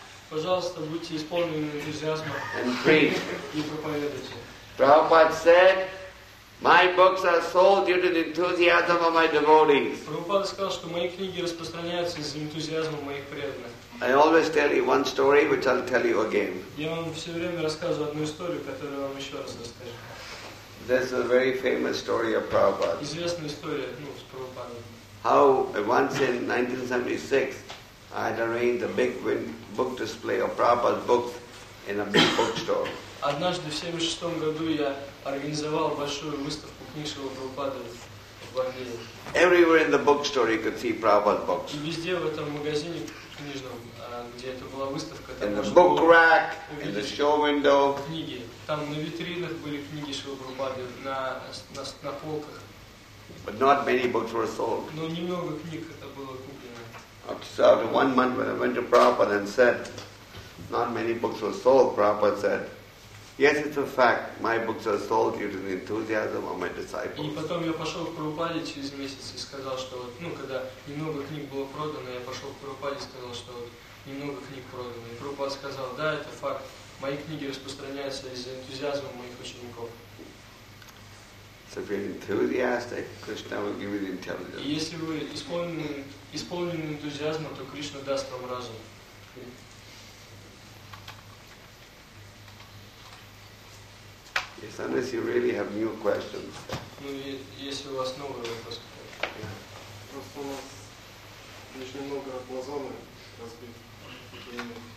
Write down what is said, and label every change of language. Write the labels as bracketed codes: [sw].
[ru] Пожалуйста, будьте исполнены энтузиазма [en] and preach. [ru] И проповедуйте. [en] Prabhupada said, my books are sold due to the enthusiasm of my devotees. [ru] Прабхупада сказал, что мои книги распространяются из-за энтузиазма моих преданных. [en] I always tell you one story, which I'll tell you again. [ru] Я вам все время рассказываю одну историю, которую вам еще раз расскажу. [en] This is a very famous story of Prabhupada. [ru] Известная история, ну, с Прабхупадой. [en] How once in 1976, I had arranged a big book display of Prabhupada's books in a big bookstore. [ru] Однажды в 76 году я организовал большую выставку книг Шрилы Прабхупады в Америке. [en] Everywhere in the bookstore you could see Prabhupada's books. [ru] И везде в этом магазине книжном, где это была выставка, [en] in the book rack, in the show window. [ru] Книги. Там на витринах были книги Шрилы Прабхупады на полках. [en] But not many books were sold. [ru] Но немного книг это было куплено. [en] So after 1 month when I went to Prabhupada and said, not many books were sold, Prabhupada said, yes, it's a fact, my books are sold due to the enthusiasm of my disciples. [ru] И потом я пошел к Прабхупаде через месяц и сказал, что вот, ну, когда немного книг было продано, я пошел к Прабхупаде и сказал, что вот, немного книг продано. И Прабхупада сказал, да, это факт, мои книги распространяются из-за энтузиазма моих учеников. [en] So if you're enthusiastic, Krishna will give you the intelligence. [ru] Если вы исполнены энтузиазма, то Кришна даст вам разум. [en] Yes, unless you really have new questions. [ru] Ну, если у вас новые вопросы. Просто у нас лишь немного аквазоны разбиты.